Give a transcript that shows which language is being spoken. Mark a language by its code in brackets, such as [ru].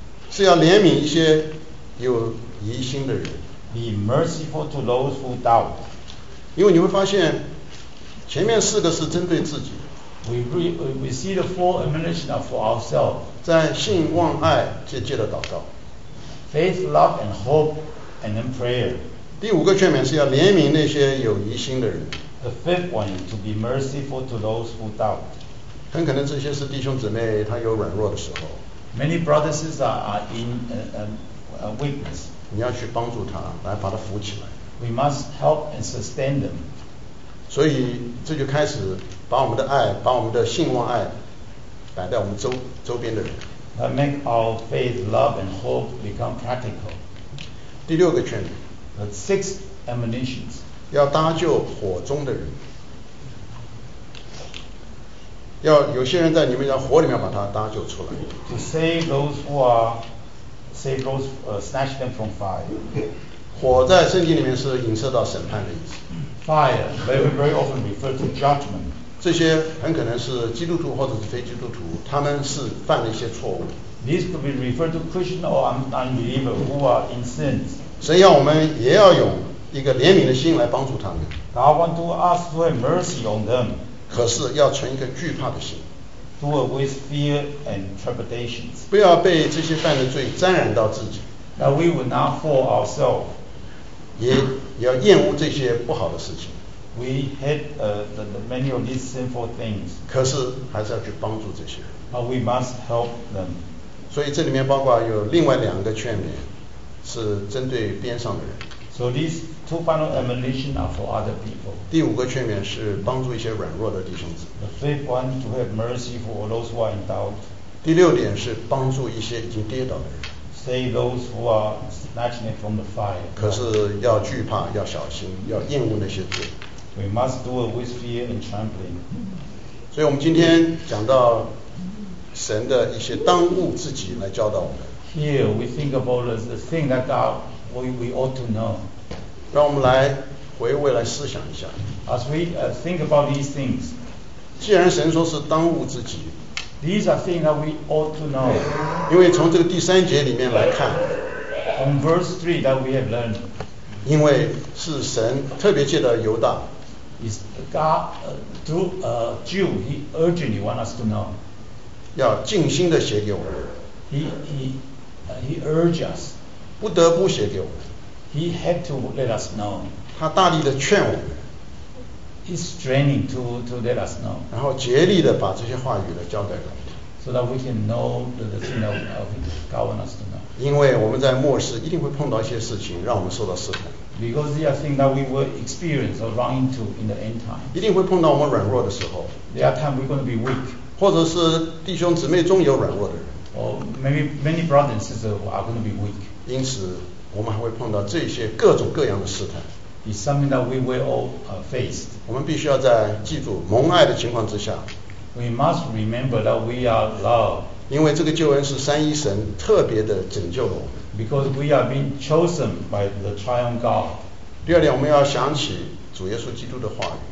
[zh] 是要怜悯一些有疑心的人。 [en] Be merciful to those who doubt. [zh] 因为你会发现，前面四个是针对自己。 [en] We see the four admonitions are for ourselves. [zh] 在信望爱借祷告。 [en] Faith, love, and hope. And then prayer. [zh] 第五个劝勉是要怜悯那些有疑心的人。 [en] The fifth one is to be merciful to those who doubt. [zh] 很可能这些是弟兄姊妹他有软弱的时候。 [en] Many brothers and sisters are in weakness. [zh] 你要去帮助他，来把他扶起来。 [en] We must help and sustain them. [zh] 所以这就开始把我们的爱，把我们的信望爱，摆在我们周边的人。 [en] That make our faith, love, and hope become practical. [zh] 第六个劝勉 [en] The sixth admonitions [zh] 要搭救火中的人，要有些人在你们在火里面把他搭救出来。 [en] To save those who are, save those, snatch them from fire. [zh] 火在圣经里面是影射到审判的意思。 [en] Fire, very, very often refer to judgment. [zh] 这些很可能是基督徒或者是非基督徒，他们是犯了一些错误。 [en] This could be referred to Christian or unbeliever who are in sins. [zh] 神要我们也要用一个怜悯的心来帮助他们。 [en] God want to ask for mercy on them. [zh] 可是要存一个惧怕的心 [en] Do it with fear and trepidations. [zh] 不要被这些犯的罪沾染到自己 [en] That we will not fool ourselves. [zh] 也要厌恶这些不好的事情 [en] We hate the many of these sinful things. [zh] 可是还是要去帮助这些人 [en] But we must help them. [zh] 所以这里面包括有另外两个劝勉是针对边上的人 [en] So these two final admonitions are for other people. [zh] 第五个劝勉是帮助一些软弱的弟兄姊妹。 [en] The fifth one to have mercy for those who are in doubt. [zh] 第六点是帮助一些已经跌倒的人。 [en] Save those who are snatching from the fire. [zh] 可是要惧怕，要小心，要厌恶那些罪。 [en] We must do it with fear and trembling. [zh] 所以我们今天讲到神的一些当务之急来教导我们。 [en] Here we think about the thing that God. We ought to know. [zh] 让我们来回未来思想一下。 [en] As we think about these things, [zh] 既然神说是当务之急 [en] these are things that we ought to know. [zh] 因为从这个第三节里面来看 [en] from verse 3 that we have learned, [zh] 因为是神特别借着犹大 [en] is God through Jude, he urgently wants us to know. [zh] 要尽心的写给我们 [en] He urges us. [zh] 不得不写给我们。 [en] He had to let us know. [zh] 他大力的劝我们。 [en] He's straining to let us know. [zh] 然后竭力的把这些话语的交代给我们。 [en] So that we can know the thing of God wants us to know. [zh] 因为我们在末世一定会碰到一些事情，让我们受到试探。 [en] Because there are things that we will experience or run into in the end time. [zh] 一定会碰到我们软弱的时候。 [en] There are times we're going to be weak. [zh] 或者是弟兄姊妹中有软弱的人。 [en] Or maybe many brothers and sisters are going to be weak. [zh] 因此，我们还会碰到这些各种各样的试探。 [en] It's something that we will all face. [zh] 我们必须要在记住蒙爱的情况之下。 [en] We must remember that we are loved. [zh] 因为这个救恩是三一神特别的拯救了我们。 [en] Because we are being chosen by the Triune God. [zh] 第二点，我们要想起主耶稣基督的话语。